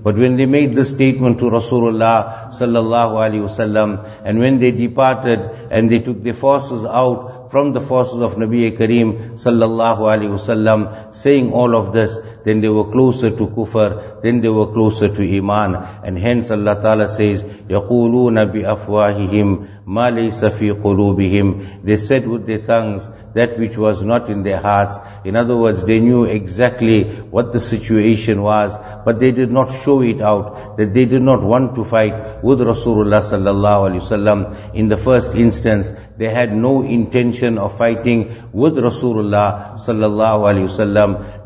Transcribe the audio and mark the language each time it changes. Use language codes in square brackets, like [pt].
[en] But when they made this statement to Rasulullah sallallahu alayhi wasallam, and when they departed and they took their forces out from the forces of Nabi Kareem sallallahu alayhi wasallam, saying all of this, then they were closer to kufr, then they were closer to iman. And hence Allah Ta'ala says, [ar] يَقُولُونَ بِأَفْوَاهِهِمْ مَا لَيْسَ فِي قُلُوبِهِمْ. [en] They said with their tongues that which was not in their hearts. In other words, they knew exactly what the situation was, but they did not show it out, that they did not want to fight with Rasulullah sallallahu alayhi wasallam. In the first instance, they had no intention of fighting with Rasulullah sallallahu alayhi wasallam.